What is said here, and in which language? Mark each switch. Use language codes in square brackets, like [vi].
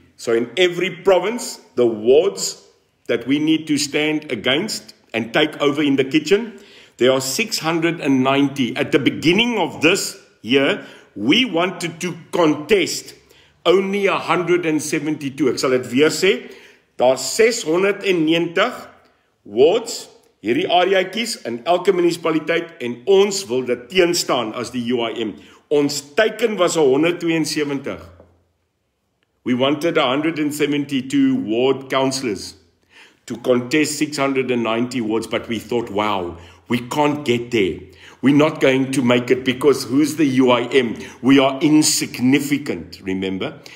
[en] So in every province, the wards that we need to stand against and take over in the kitchen, there are 690. At the beginning of this year, we wanted to contest only 172. [af] Ek sal dit weer sê, daar 690 wards, hierdie areaatjies in elke munisipaliteit, en ons wil dit teenstaan as die UIM. Ons teiken was 172. [en] We wanted 172 ward councillors to contest 690 wards, but we thought, wow, we can't get there. We're not going to make it because who's the UIM? We are insignificant, remember?